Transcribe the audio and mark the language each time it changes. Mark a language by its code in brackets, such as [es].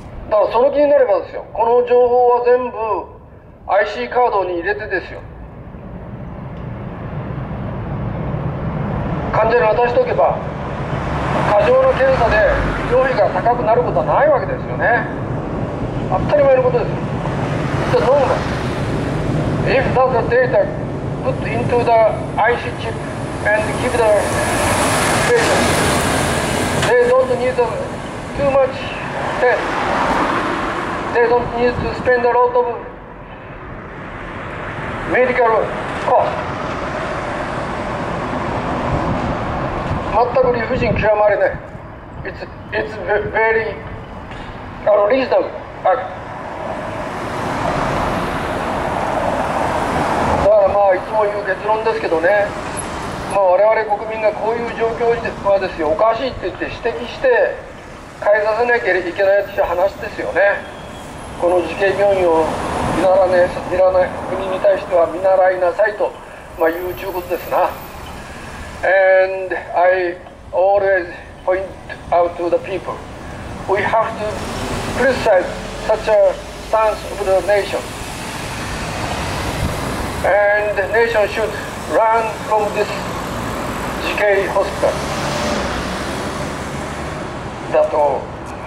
[ja] だからその気になればですよ、この情報は全部 IC カードに入れてですよ、患者に渡しておけば、過剰な検査で医療費が高くなることはないわけですよね。当たり前のことですよ。 [en] It's a normal. If that dataPut into the IC chip and give the patient. They don't need too much test. They don't need to spend a lot of medical cost. [ja] 全く理不尽極まりない。 [en] It's very reasonable act. [ja] いつも言う結論ですけどね、まあ、我々国民がこういう状況はですよ、おかしいって言って指摘して変えさせなきゃいけないという話ですよね。この慈恵病院を見習いなさいに対しては見習いなさいと、まあ、言うということですな。 [en] And I always point out to the people we have to criticize such a stance of the nation and the nation should run from this GK hospital だと。